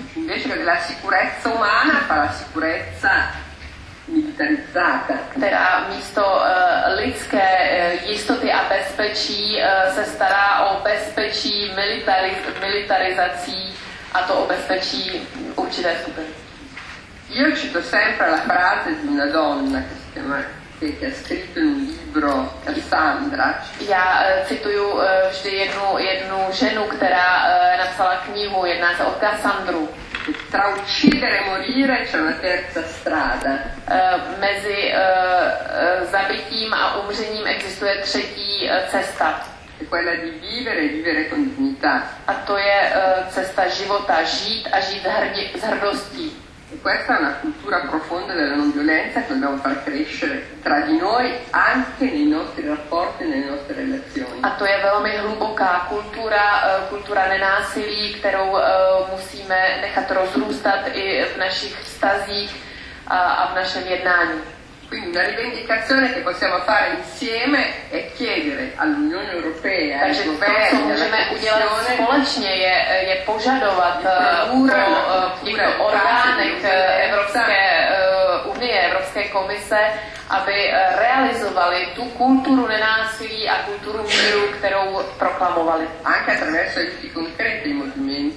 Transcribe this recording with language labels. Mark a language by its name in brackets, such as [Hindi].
[Italian] Invece che la sicurezza umana fa la sicurezza militarizzata. [Czech] Která místo lidské jistoty a bezpečí se stará o bezpečí militarizací. A to o bezpečí určité skupiny. [Italian] Io cito sempre la frase di una donna che si chiama che ha scritto in un libro Cassandra. [Czech] Já cituju vždy jednu ženu, která napsala knihu, jedná se o Cassandru. [Italian] Tra uccidere e morire c'è una terza strada. [Czech] Mezi zabitím a umřením existuje třetí cesta. [Italian] Quella di vivere e vivere con dignità. [Czech] A to je cesta života, žít a žít s hrdostí. [Italian] E questa è una cultura profonda della non violenza che dobbiamo far crescere tra di noi, anche nei nostri rapporti, nelle nostre relazioni. [Czech] A to je velmi hluboká kultura, kultura nenásilí, kterou musíme nechat rozrůstat i v našich vztazích a v našem jednání. [Italian] Quindi una rivendicazione che possiamo fare insieme è chiedere all'Unione Europea, ai governi, alla Commissione, [Czech] je požadovat těchto orgánek Evropské unie, Evropské komise, aby realizovali tu kulturu nenásilí a kulturu míru, kterou proklamovali. [Italian] Anche attraverso i concreti movimenti.